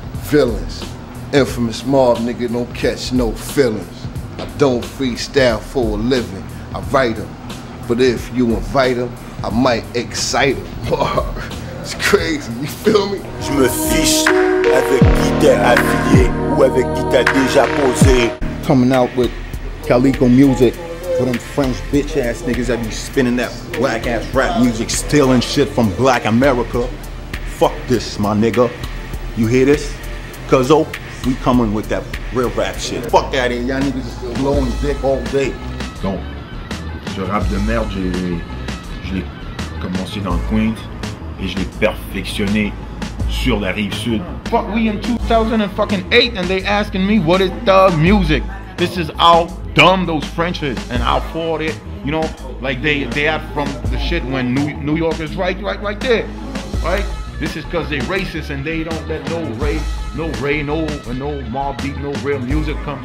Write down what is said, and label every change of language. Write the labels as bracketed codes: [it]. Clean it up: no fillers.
[en] Villains, infamous mob, nigga, don't catch no feelings. I don't freestyle for a living. I write them, but if you invite them, I might excite them. It's crazy, you feel me? [fr] Je me fiche avec qui t'es affilié ou avec qui t'as déjà posé. [en] Coming out with Calico Music for them French bitch ass niggas that be spinning that black ass rap music, stealing shit from Black America. Fuck this, my nigga. You hear this? Cuzzo, we coming with that real rap shit. Fuck out of here, y'all niggas blowing dick all day. Don't. [fr] Ce rap de merde, je l'ai commencé dans le Queens et je l'ai perfectionné sur la rive sud. [en] Fuck, we in 2008 and they asking me what is the music. This is how dumb those French is and how poor they, you know, like they are from the shit when New York is right there, right? This is cause they racist and they don't let no mob beat, no real music come.